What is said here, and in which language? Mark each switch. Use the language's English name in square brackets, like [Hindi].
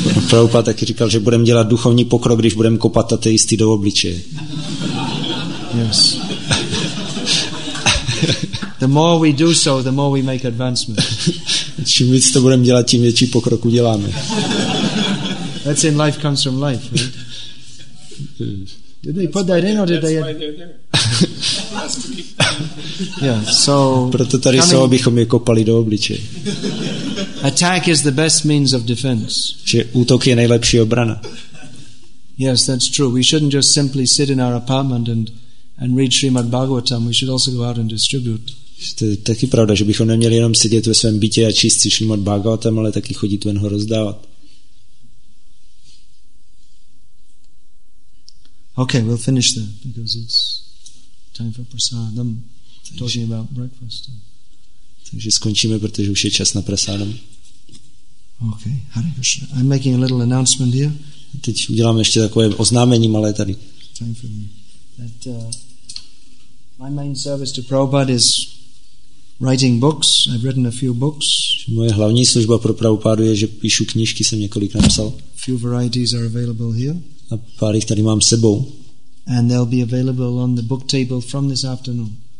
[Czech] Prabhupada taky říkal, že budeme dělat duchovní pokrok, když budeme kopat ateisty do obličeje. [English] Yes. The more we do so, the more we make advancement. [Czech] Čím víc to budeme dělat, tím větší pokrok uděláme. [English] That's in life comes from life, right? Did they put that in or did they? Yeah, so [Czech] proto tady jsou, abychom je kopali do obličeje. [English] Attack is the best means of defense. [Czech] Že útok je nejlepší obrana. [English] Yes, that's true. We shouldn't just simply sit in our apartment and read Srimad Bhagavatam. We should also go out and distribute. [Czech] To je taky pravda, že bychom neměli jenom sedět ve svém bytě a číst si Srimad Bhagavatam, ale taky chodit ven ho rozdávat. [English] Okay, we'll finish there because it's time for prasadam. Talking about breakfast. [Czech] Takže skončíme, protože už je čas na prasadam. [English] Okay, Hare Krishna. I'm making a little announcement here. [Czech] A teď udělám ještě takové oznámení malé tady. [English] Time for me. That my main service to Prabhupada is writing books. I've written a few books. [Czech] Moje hlavní služba pro Prabhupádu je, že píšu knížky, jsem několik napsal. [English] A few varieties are available here. [Czech] A pár jich tady mám sebou. [English] And they'll be available on the book table from this afternoon.